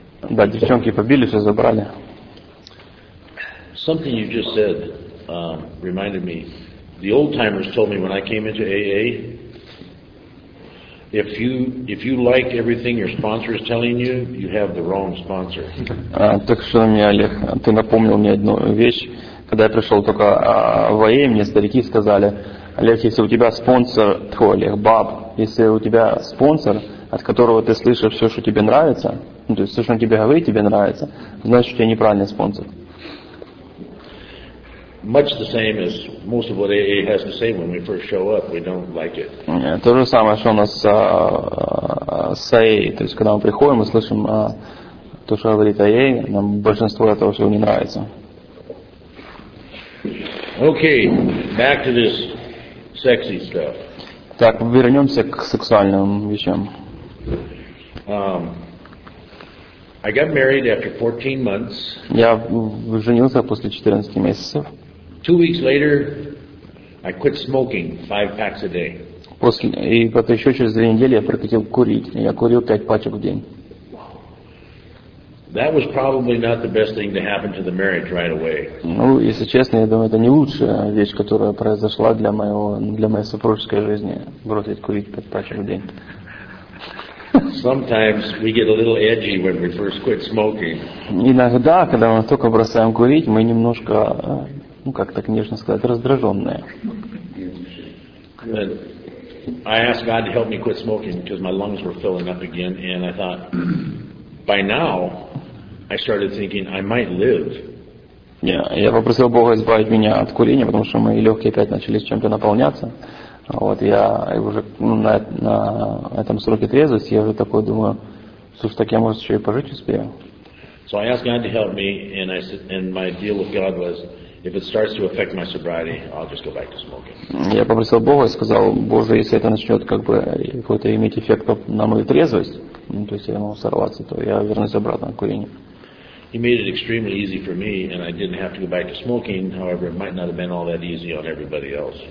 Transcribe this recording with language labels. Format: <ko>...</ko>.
<ru>Да, девчонки побили, все забрали.</ru> <en>Something you just said reminded me. The old timers told me when I came into AA, if you like everything your sponsor is telling you, you have the wrong sponsor.</en> <ru>Так что мне, Олег, ты напомнил мне одну вещь. Когда я пришел только в АА, мне старики сказали, Олег, если у тебя спонсор, твой Олег, баб, если у тебя спонсор, от которого ты слышишь все, что тебе нравится, то есть все, что он тебе говорит, тебе нравится, значит, у тебя неправильный спонсор.</ru> <en>Much the same as most of what AA has to say when we first show up, we don't like it.</en> <ru>Yeah, то же самое, что у нас с AA. То есть, когда мы приходим, мы слышим то, что говорит AA, нам большинство этого всего не нравится.</ru> <en>Okay, back to this sexy stuff.</en> <ru>Так, вернемся к сексуальным вещам.</ru> <en>I got married after 14 months.</en> <ru>Я женился после 14 месяцев.</ru> <en>2 weeks later, I quit smoking 5 packs a day.</en> <ru>После и потом еще через 2 недели я прекратил курить. Я курил 5 пачек в день.</ru> <en>That was probably not the best thing to happen to the marriage right away.</en> <ru>Если честно, я думаю, это не лучшая вещь, которая произошла для моей супружеской жизни, бросить курить 5 пачек в день.</ru> <en>Sometimes we get a little edgy when we first quit smoking.</en> <ru>Иногда, когда мы только бросаем курить, мы немножко как так нежно сказать, раздраженные.</ru> <en>I asked God to help me quit smoking because my lungs were filling up again, and I thought, by now, I started thinking I might live.</en> <ru>Я попросил Бога избавить меня от курения, потому что мои легкие опять начали чем-то наполняться. Я уже на этом сроке трезвости, я уже такой думаю, слушай, так я, может, еще и пожить успею.</ru> <en>So I asked God to help me, and I said, and my deal with God was, if it starts to affect my sobriety, I'll just go back to smoking.</en> <ru>Я попросил Бога и сказал, Боже, если это начнет как бы какой-то иметь эффект на мою трезвость, то есть я могу сорваться, то я вернусь обратно к курению.</ru> <en>He made it extremely easy for me, and I didn't have to go back to smoking. However, it might not have been all that easy on everybody else.</en>